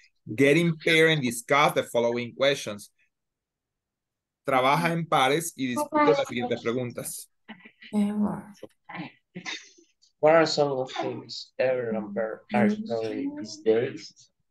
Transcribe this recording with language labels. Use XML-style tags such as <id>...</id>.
<en>Get in pair and discuss the following questions.</en> <es>Trabaja en pares y discute las siguientes preguntas.</es> <en>What are some of the things Ever and Beth are doing these days?</en>